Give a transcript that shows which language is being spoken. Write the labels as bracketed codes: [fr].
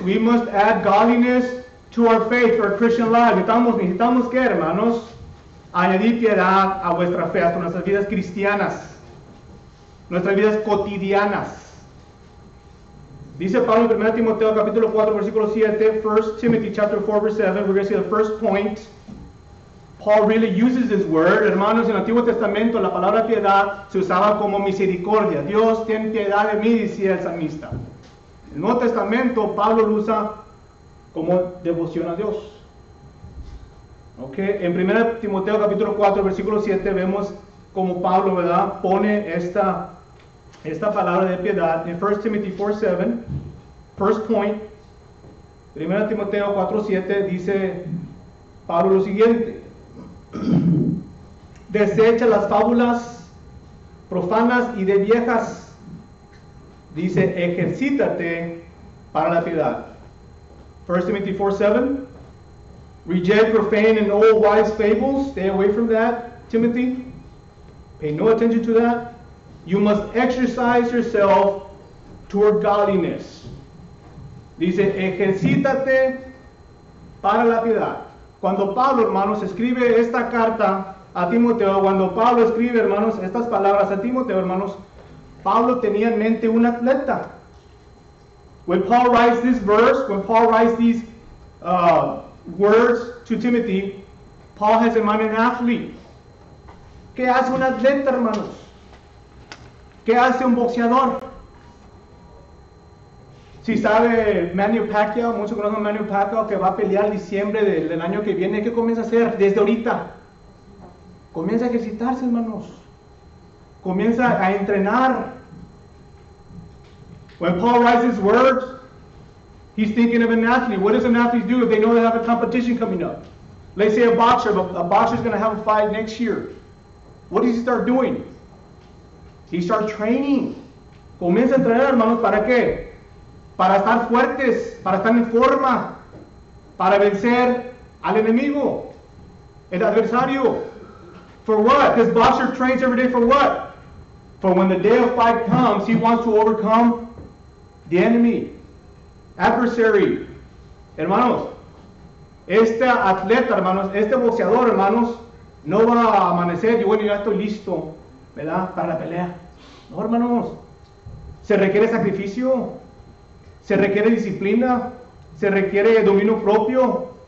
[en] We must add godliness to our faith, to our Christian life. [es] Necesitamos que, hermanos, añadir piedad a vuestra fe, a nuestras vidas cristianas, nuestras vidas cotidianas. Dice Pablo en 1 Timoteo capítulo 4, versículo 7, [en] 1 Timothy chapter 4, verse 7, we're going to see the first point. Paul really uses this word. [es] Hermanos, en el Antiguo Testamento la palabra piedad se usaba como misericordia. Dios, ten piedad de mí, decía el salmista. En el Nuevo Testamento, Pablo lo usa como devoción a Dios. Ok, en 1 Timoteo capítulo 4, versículo 7, vemos como Pablo, ¿verdad?, pone esta palabra de piedad en [en] 1 Timothy 4, 7, first point, [es] 1 Timoteo 4, 7, dice Pablo lo siguiente: desecha las fábulas profanas y de viejas, dice, ejercítate para la piedad. [en] 1 Timothy 4, 7, reject profane and old wise fables, stay away from that, Timothy, pay no attention to that. You must exercise yourself toward godliness. [es] Dice, ejercítate para la piedad. Cuando Pablo, hermanos, escribe esta carta a Timoteo, cuando Pablo escribe, hermanos, estas palabras a Timoteo, hermanos, Pablo tenía en mente un atleta. [en] When Paul writes this verse, when Paul writes these words to Timothy, Paul has in mind an athlete. [es] ¿Qué hace un atleta, hermanos? ¿Qué hace un boxeador? Si sabe Manny Pacquiao, muchos conocen a Manny Pacquiao, que va a pelear en diciembre del año que viene, ¿qué comienza a hacer desde ahorita? Comienza a ejercitarse, hermanos. Comienza a entrenar. [en] When Paul writes his words, he's thinking of an athlete. What does an athlete do if they know they have a competition coming up? Let's say a boxer. A boxer is going to have a fight next year. What does he start doing? He starts training. [es] Comienza a entrenar, hermanos, ¿para qué? Para estar fuertes, para estar en forma, para vencer al enemigo, el adversario. [en] For what? This boxer trains every day for what? For when the day of fight comes, he wants to overcome the enemy, adversary. [es] Hermanos, este atleta, hermanos, este boxeador, hermanos, no va a amanecer y bueno, ya estoy listo, ¿verdad?, para la pelea. No, hermanos, se requiere sacrificio, se requiere disciplina, se requiere dominio propio.